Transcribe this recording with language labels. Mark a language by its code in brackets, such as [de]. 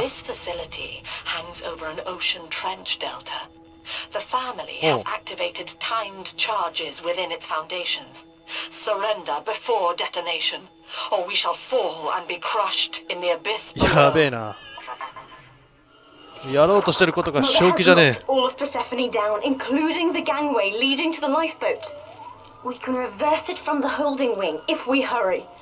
[en] This facility hangs over an ocean trench delta. The family has activated timed charges within its foundations. Surrender before detonation, or we shall fall and be crushed in the abyss below. [ja] やべえな。やろうとしてることが正気じゃねえ。 [en] We'll have locked all of Persephone down, including the gangway leading to the lifeboat. We can reverse it from the holding wing if we hurry.